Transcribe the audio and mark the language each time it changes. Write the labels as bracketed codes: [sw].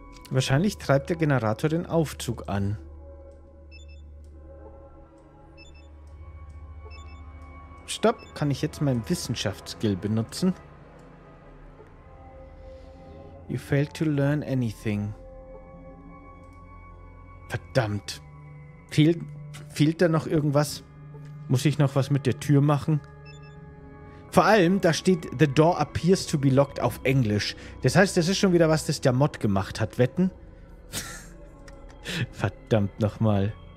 [de] Wahrscheinlich treibt der Generator den Aufzug an. Stopp, kann ich jetzt meinen Wissenschaftsskill benutzen? [en] You failed to learn anything. [de] Verdammt. Fehlt da noch irgendwas? Muss ich noch was mit der Tür machen? Vor allem, da steht, [en] the door appears to be locked [de] auf Englisch. Das heißt, das ist schon wieder was, das der Mod gemacht hat. Wetten? Verdammt nochmal.